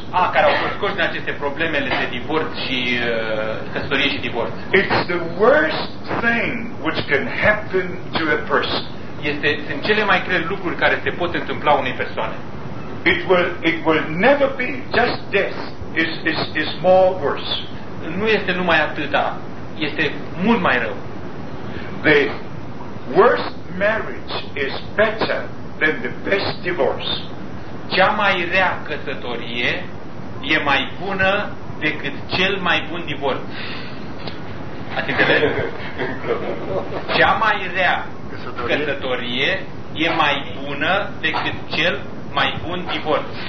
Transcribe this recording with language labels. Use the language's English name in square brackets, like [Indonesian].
[Romanian] Ah, care au fost scoși din aceste probleme de divorț și căsătorie și divorț. [English] It's the worst thing which can happen to a person. [Romanian] Este, sunt cele mai grele lucruri care se pot întâmpla unei persoane. [English] It will never be just death. It's more worse. [Romanian] Nu este numai atât, este mult mai rău. [English] The worst marriage is better than the best divorce. [Romanian] Cea mai rea căsătorie e mai bună decât cel mai bun divorț. Ați înțeles? Cea mai rea căsătorie e mai bună decât cel mai bun divorț.